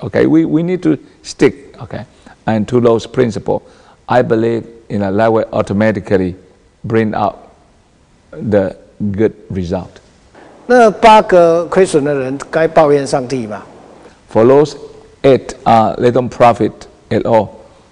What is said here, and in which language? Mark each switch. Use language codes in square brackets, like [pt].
[en] Okay, we need to stick okay, and to those principle. I believe in a that way automatically bring out the good result. [zh] 那八个亏损的人该抱怨上帝吧 [en] ？For those It, they don't profit at all.